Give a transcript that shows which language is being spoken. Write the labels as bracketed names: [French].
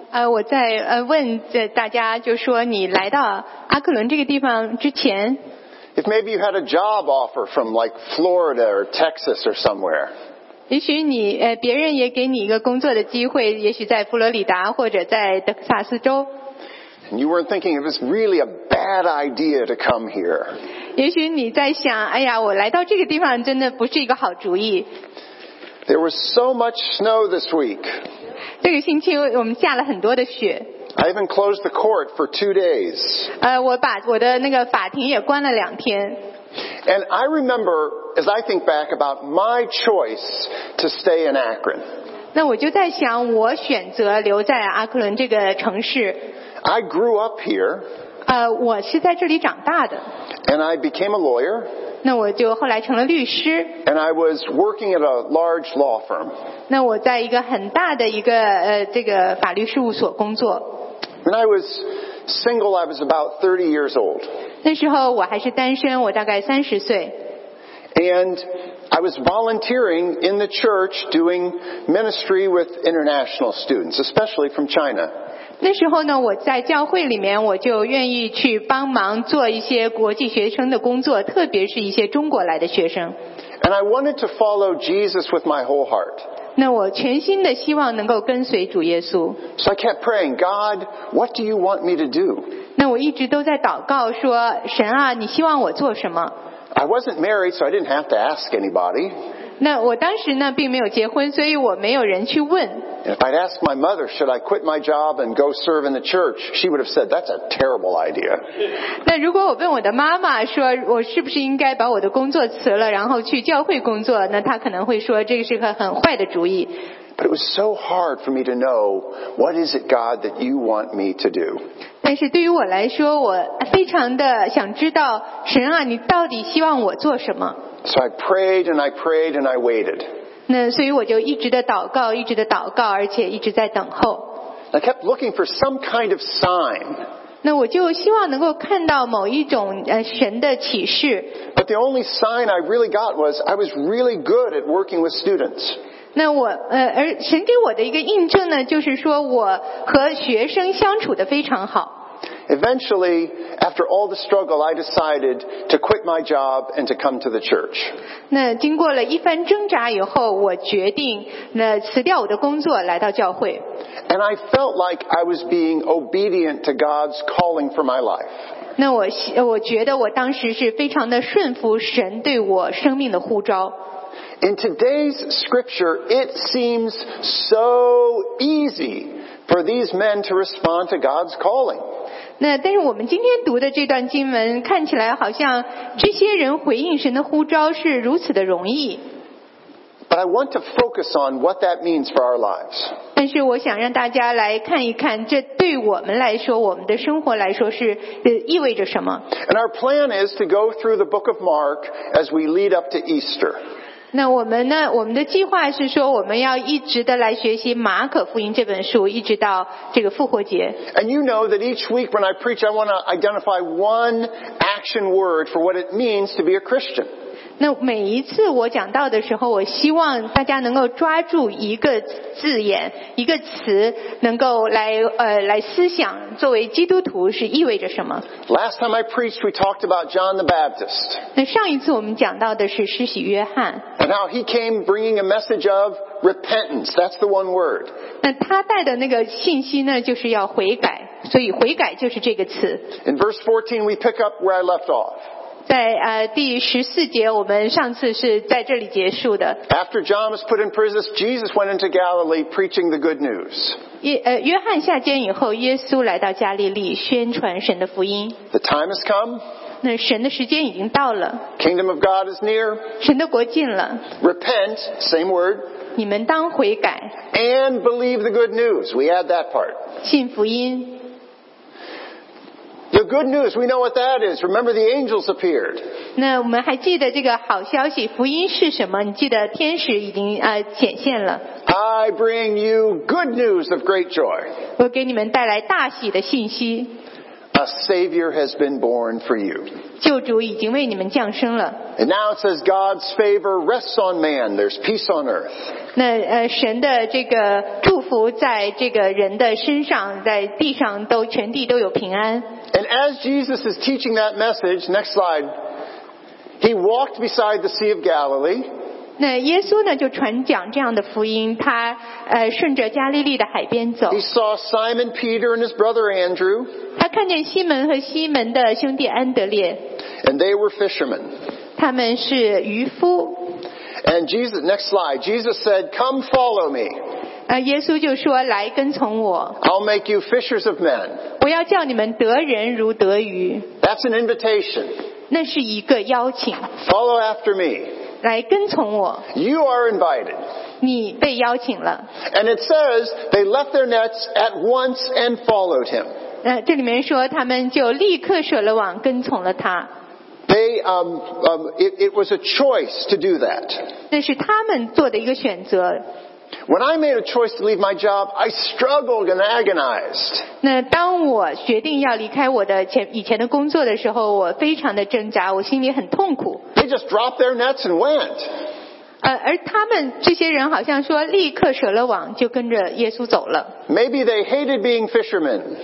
[Chinese] 我在问大家，就说你来到阿克伦这个地方之前， [English] if maybe you had a job offer from like Florida or Texas or somewhere. [Chinese] 也许你别人也给你一个工作的机会，也许在佛罗里达或者在德克萨斯州。 [English] And you weren't thinking it was really a bad idea to come here. [Chinese] 也许你在想，哎呀，我来到这个地方真的不是一个好主意。 [English] There was so much snow this week. [Chinese] 这个星期我们下了很多的雪。 [English] I even closed the court for 2 days. [Chinese] 我把我的那个法庭也关了两天。 [English] And I remember, as I think back about my choice to stay in Akron. [Chinese] 那我就在想，我选择留在阿克伦这个城市。 [English] I grew up here. [Chinese] 我是在这里长大的。 [English] And I became a lawyer. [Chinese] 那我就后来成了律师。 [English] And I was working at a large law firm. [Chinese] 那我在一个很大的一个这个法律事务所工作。 [English] When I was single, I was about 30 years old. [Chinese] 那时候我还是单身，我大概30岁。 [English] And I was volunteering in the church doing ministry with international students, especially from China. [Chinese] 那时候呢，我在教会里面，我就愿意去帮忙做一些国际学生的工作，特别是一些中国来的学生。 [English] And I wanted to follow Jesus with my whole heart. [Chinese] 那我全心的希望能够跟随主耶稣。 [English] So I kept praying, God, what do you want me to do? [Chinese] 那我一直都在祷告说，神啊，你希望我做什么？ [English] I wasn't married, so I didn't have to ask anybody. [Chinese] 那我当时呢，并没有结婚，所以我没有人去问。 [English] And if I'd asked my mother, should I quit my job and go serve in the church, she would have said, that's a terrible idea. [Chinese] 那如果我问我的妈妈说，我是不是应该把我的工作辞了，然后去教会工作，那她可能会说，这个是个很坏的主意。 [English] But it was so hard for me to know, what is it, God, that you want me to do? [Chinese] 但是对于我来说，我非常的想知道，神啊，你到底希望我做什么？ [English] So I prayed and I prayed and I waited. [Chinese] 那所以我就一直的祷告，一直的祷告，而且一直在等候。 [English] I kept looking for some kind of sign. [Chinese] 那我就希望能够看到某一种神的启示。 [English] But the only sign I really got was I was really good at working with students. [Chinese] 那我而神给我的一个印证呢，就是说我和学生相处得非常好。 [English] Eventually, after all the struggle, I decided to quit my job and to come to the church. [Chinese] 那经过了一番挣扎以后，我决定那辞掉我的工作，来到教会。 [English] And I felt like I was being obedient to God's calling for my life. [Chinese] 那我觉得我当时是非常的顺服神对我生命的呼召。 [English] In today's scripture, it seems so easy for these men to respond to God's calling. [Chinese] 那但是我们今天读的这段经文看起来好像这些人回应神的呼召是如此的容易。 [English] But I want to focus on what that means for our lives. [Chinese] 但是我想让大家来看一看，这对我们来说，我们的生活来说是意味着什么。 [English] And our plan is to go through the book of Mark as we lead up to Easter. [Chinese] 那我们呢，我们的计划是说我们要一直的来学习马可福音这本书，一直到这个复活节。 [English] And you know that each week when I preach, I want to identify one action word for what it means to be a Christian. [Chinese] 那每一次我讲到的时候，我希望大家能够抓住一个字眼，一个词，能够来思想，作为基督徒是意味着什么。 [English] Last time I preached, we talked about John the Baptist. [Chinese] 那上一次我们讲到的是施洗约翰。 [English] And how he came bringing a message of repentance. That's the one word. [Chinese] 那他带的那个信息呢，就是要悔改，所以悔改就是这个词。 [English] In verse 14, we pick up where I left off. [Chinese] 在第十四节，我们上次是在这里结束的。 [English] After John was put in prison, Jesus went into Galilee preaching the good news. [Chinese] 约翰下监以后，耶稣来到加利利宣传神的福音。 [English] The time has come. [Chinese] 那神的时间已经到了。 [English] Kingdom of God is near. [Chinese] 神的国近了。 [English] Repent, same word. [Chinese] 你们当悔改。 [English] And believe the good news. We add that part. [Chinese] 信福音。 [English] The good news, we know what that is. Remember, the angels appeared. [Chinese] 那我们还记得这个好消息，福音是什么？你记得天使已经显现了。 [English] I bring you good news of great joy. [Chinese] 我给你们带来大喜的信息。 [English] A savior has been born for you. [Chinese] 救主已经为你们降生了。 [English] And now it says God's favor rests on man. There's peace on earth. [Chinese] 那神的这个祝福在这个人的身上，在地上都全地都有平安。 [English] And as Jesus is teaching that message, next slide, he walked beside the Sea of Galilee. [Chinese] 那耶稣呢就传讲这样的福音，他顺着加利利的海边走。 [English] He saw Simon Peter and his brother Andrew. [Chinese] 他看见西门和西门的兄弟安德烈。 [English] And they were fishermen. [Chinese] 他们是渔夫。 [English] And Jesus, next slide, Jesus said, "Come, follow me." [Chinese] 耶稣就说来跟从我。 [English] I'll make you fishers of men. [Chinese] 我要叫你们得人如得鱼。 [English] That's an invitation. [Chinese] 那是一个邀请。 [English] Follow after me. [Chinese] 来跟从我。 [English] You are invited. [Chinese] 你被邀请了。 [English] And it says they left their nets at once and followed him. [Chinese] 这里面说他们就立刻舍了网跟从了他。 [English] They it was a choice to do that. [Chinese] 那是他们做的一个选择。 [English] When I made a choice to leave my job, I struggled and agonized. [Chinese] 那当我决定要离开我的以前的工作的时候，我非常的挣扎，我心里很痛苦。 [English] They just dropped their nets and went. [Chinese] 而他们这些人好像说立刻舍了网，就跟着耶稣走了。 [English] Maybe they hated being fishermen.